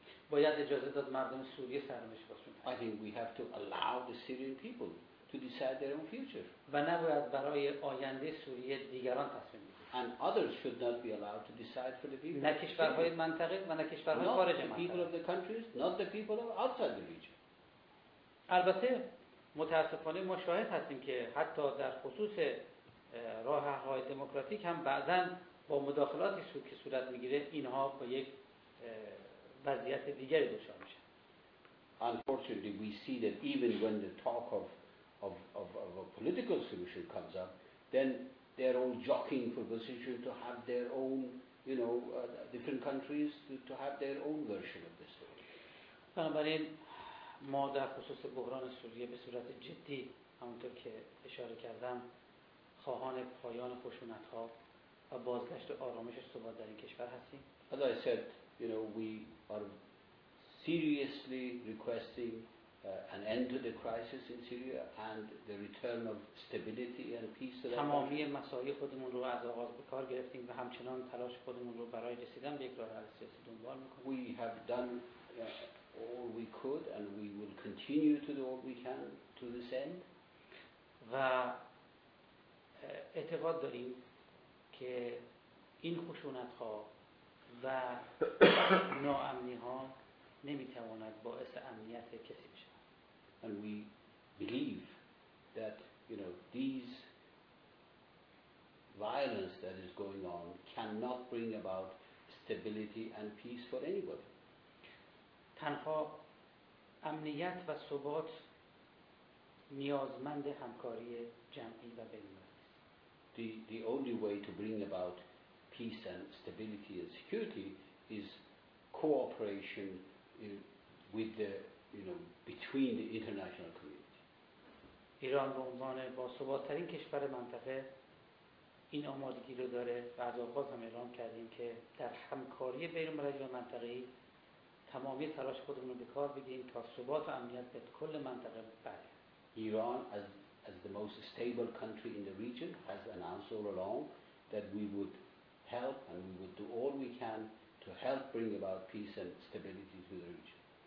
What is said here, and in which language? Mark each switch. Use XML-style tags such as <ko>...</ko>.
<fa>باید اجازه داد مردم سوریه سرنوشت خودشون تعیین کنند.</fa> <en>I think we have to allow the Syrian people to decide their own future.</en> <fa>و نباید برای آینده سوریه دیگران تصمیم بگیرند.</fa> <en>And others should not be allowed to decide for the people.</en> <fa>نه کشورهای منطقه و نه کشورهای خارج منطقه.</fa> <en>Not the people of the countries, not the people of outside the region.</en> <fa>البته متاسفانه ما شاهد هستیم که حتی در خصوص راه حل‌های دموکراتیک هم بعضن با مداخلاتی که صورت میگیره اینها با یک وضعیت دیگری دچار میشن.</fa> <en>Unfortunately, we see that even when the talk of a political solution comes up, then they're all jockeying for position to have their own, you know, different countries to have their own version of this story.</en> <fa>بنابراین ما در خصوص بحران سوریه به صورت جدی، همونطور که اشاره کردم، خواهان پایان خشونت‌ها و بازگشت آرامش ثبات در این کشور هستیم.</fa> <en>As I said, you know, we are seriously requesting an end to the crisis in Syria and the return of stability and peace.</en> <fa>تمامی مسعی خودمون رو از آغاز به کار گرفتیم و همچنان تلاش خودمون رو برای رسیدن به یک راه حل سیاسی دنبال می‌کنیم.</fa> <en>We have done all we could and we will continue to do all we can to this end.</en> <fa>و اعتقاد داریم که این خشونت‌ها و ناامنی‌ها نمی‌تواند باعث امنیت کسی بشه.</fa> <en>And we believe that, you know, these violence that is going on cannot bring about stability and peace for anybody.</en> <fa>تنها امنیت و ثبات نیازمند همکاری جمعی و بین‌المللی است.</fa> <en>The only way to bring about peace and stability and security is cooperation with the, you know, between the international community.</en> <fa>ایران به عنوان باثبات‌ترین کشور منطقه این آمادگی رو داره و از آغاز هم اعلام کردیم که در همکاری بین‌المللی و منطقه‌ای تمامی تلاش خودمون رو به کار بدیم تا ثبات و امنیت به کل منطقه بره.</fa> <en>Iran as the most stable country in the region has announced all along that we would help and we would do all we can to help bring about peace and stability to the region.</en>